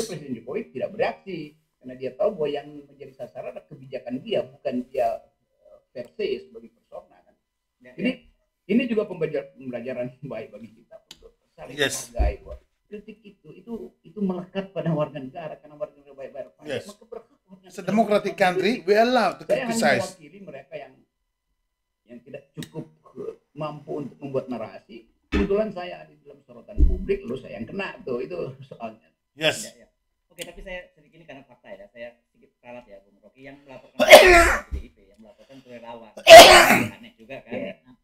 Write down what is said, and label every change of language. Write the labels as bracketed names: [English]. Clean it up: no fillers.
[Indonesian] Itu Presiden Jokowi tidak bereaksi karena dia tahu bahwa yang menjadi sasaran adalah kebijakan dia, bukan dia versi sebagai persona. Kan. Ya, ini ya. Ini juga pembelajaran baik bagi kita untuk saling [English] yes. [Indonesian] Menghargai buat. Kritik itu melekat pada warga negara karena warga negara baik-baik. [English] Yes. It's a democratic country, we allow to criticize. [Indonesian] Saya hanya mewakili mereka yang tidak cukup mampu untuk membuat narasi. Kebetulan saya ada dalam sorotan publik, lalu saya yang kena tuh, itu soalnya. [English] Yes. [Indonesian] Ya. Oke, tapi saya sedikit ini karena fakta ya, saya sedikit salah ya, Bung Rocky yang melaporkan ke relawan. Aneh juga kan. Yeah.